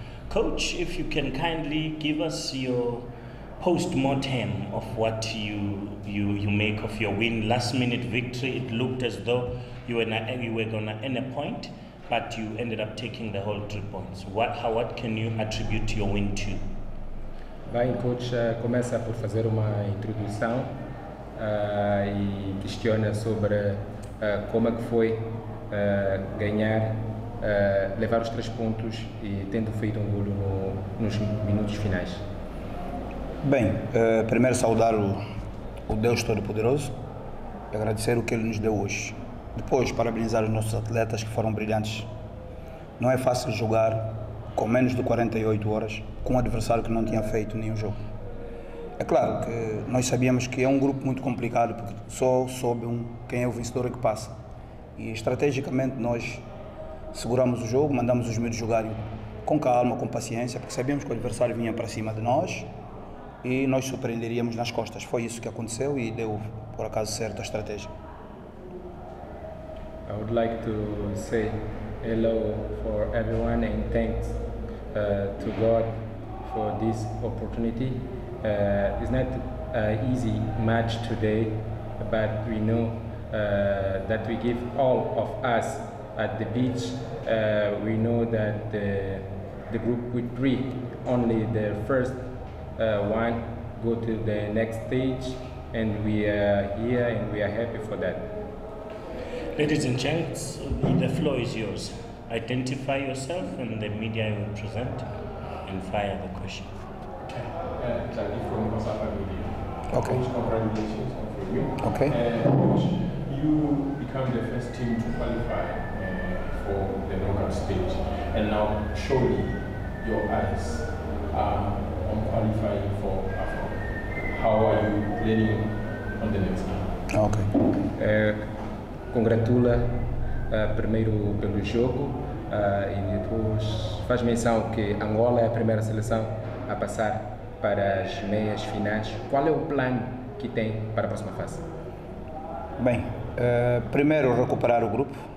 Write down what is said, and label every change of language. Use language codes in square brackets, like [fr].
[en] Coach, if you can kindly give us your post-mortem of what you make of your win, last-minute victory. It looked as though you were gonna earn a point, but you ended up taking the whole 3 points. What can you attribute your win to? [pt] Bem, coach, começa por fazer uma introdução e questiona sobre como é que foi ganhar, levar os 3 pontos e tendo feito um golo nos minutos finais. Bem, primeiro saudar o Deus Todo-Poderoso, agradecer o que Ele nos deu hoje. Depois, parabenizar os nossos atletas que foram brilhantes. Não é fácil jogar com menos de 48 horas com um adversário que não tinha feito nenhum jogo. É claro que nós sabíamos que é um grupo muito complicado, porque só sobe quem é o vencedor é que passa. E estrategicamente nós seguramos o jogo, mandamos os miúdos jogarem com calma, com paciência, porque sabíamos que o adversário vinha para cima de nós e nós surpreenderíamos nas costas. Foi isso que aconteceu e deu, por acaso, certo a estratégia. [en] I would like to say hello for everyone and thanks to God for this opportunity. It's not an easy match today, but we know that we give all of us at the beach. We know that the group with 3, only the first one go to the next stage, and we are here and we are happy for that. Ladies and gents, the floor is yours. Identify yourself and the media you represent and fire the question. Okay. From Osaka Media. Okay. Coach, congratulations for you. Okay. Coach, you become the first team to qualify for the knockout stage. And now, surely, your eyes are on qualifying for Africa. How are you planning on the next game? Okay. [pt] Congratula primeiro pelo jogo e depois faz menção que Angola é a primeira seleção a passar para as meias finais. Qual é o plano que tem para a próxima fase? Bem, primeiro recuperar o grupo.